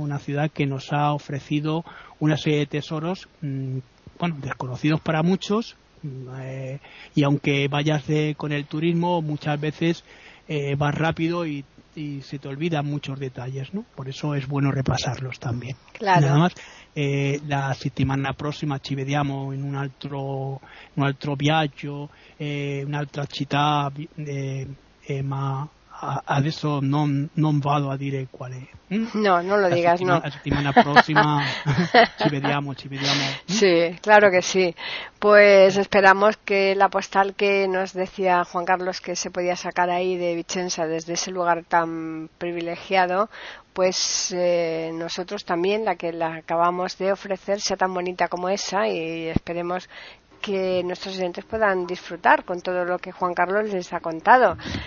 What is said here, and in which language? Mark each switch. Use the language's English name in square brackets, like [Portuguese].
[Spanish] Una ciudad que nos ha ofrecido una serie de tesoros, bueno, desconocidos para muchos, y aunque vayas con el turismo, muchas veces vas rápido y se te olvidan muchos detalles, ¿no? Por eso es bueno repasarlos también. Claro. Nada más. [Italian] La settimana prossima ci vediamo in un altro viaggio, un'altra città, ma adesso non vado a dire quale. [Spanish] No, non lo digas, no. [Italian] La settimana prossima ci vediamo. [Spanish] Sì, claro che sì. Pues esperamos que la postal que nos decía Juan Carlos que se podía sacar ahí de Vicenza desde ese lugar tan privilegiado, pues nosotros también, la que la acabamos de ofrecer, sea tan bonita como esa, y esperemos que nuestros oyentes puedan disfrutar con todo lo que Juan Carlos les ha contado.